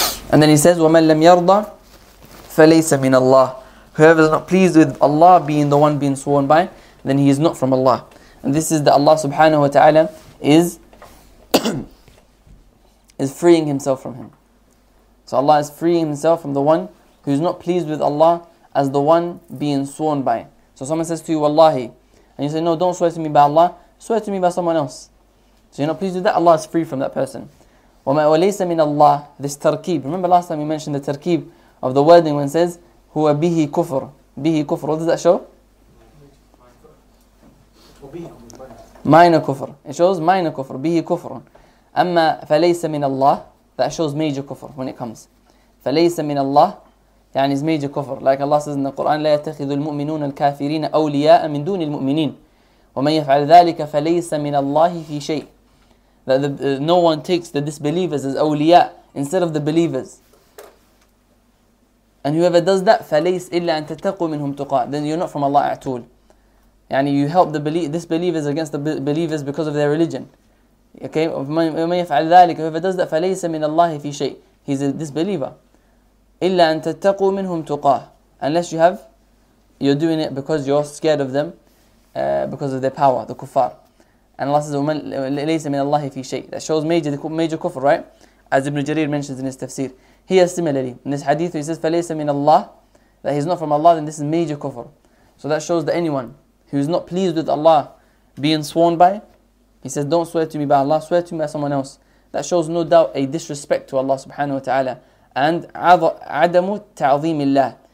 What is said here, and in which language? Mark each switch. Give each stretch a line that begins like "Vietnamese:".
English: And then he says,
Arabic: وَمَنْ لَمْ يَرْضَى فَلَيْسَ مِنَ اللَّهِ.
English: Whoever is not pleased with Allah being the one being sworn by, then he is not from Allah. And this is that Allah subhanahu wa ta'ala is is freeing himself from him. So Allah is freeing himself from the one who is not pleased with Allah as the one being sworn by. So someone says to you, Wallahi. And you say, no, don't swear to me by Allah. Swear to me by someone else. So you're not pleased with that, Allah is free from that person.
Arabic: وَلَيْسَ مِنَ اللَّهِ.
English: This tarqib. Remember last time we mentioned the tarqib of the wording when it says,
Arabic: هُوَ بِهِ كُفْر. بِهِ كُفْر.
English: What does that show? Minor كُفْر. It shows minor كُفْر.
Arabic: بِهِ كُفْر. أَمَّا فَلَيْسَ مِنَ اللَّهِ.
English: That shows major كُفْر when it comes.
Arabic: فَلَيْسَ مِنَ اللَّهِ. يعني
English: is major كُفْر. Like Allah says in the Quran,
Arabic: لَا يَتَخِذُ الْمُؤْمِنُونَ الْكَافِرِينَ أَوْلِيَاءَ مِنْ دُونِ الْمُؤْمِنِينَ. وَمَنْ يَفْعَلْ ذَلِكَ فَلَيْسَ مِنَ اللَّهِ فِي شَيْءٍ.
English: That no one takes the disbelievers as awliya instead of the believers. And whoever does that,
Arabic: فليس إلا أن تتقوا منهم تقاة.
English: Then you're not from Allah at all.
Arabic: يعني
English: you help the disbelievers against the believers because of their religion. Okay?
Arabic: ومن يفعل ذلك,
English: whoever does that,
Arabic: فليس من الله في شيء.
English: He's a disbeliever.
Arabic: إلا أن تتقوا منهم تقاة.
English: Unless you have you're doing it because you're scared of them, because of their power, the kuffar. And Allah says,
Arabic: لَيْسَ مِنَ اللَّهِ فِي شَيْءٍ.
English: That shows major kufr, right? As Ibn Jarir mentions in his tafsir. Here similarly, in this hadith, he says,
Arabic: فَلَيْسَ مِنَ اللَّهِ.
English: That he's not from Allah, then this is major kufr. So that shows that anyone who's not pleased with Allah being sworn by, he says, don't swear to me by Allah, swear to me by someone else. That shows no doubt a disrespect to Allah subhanahu wa ta'ala. And
Arabic: عَدَمُ تَعْظِيمِ اللَّهِ.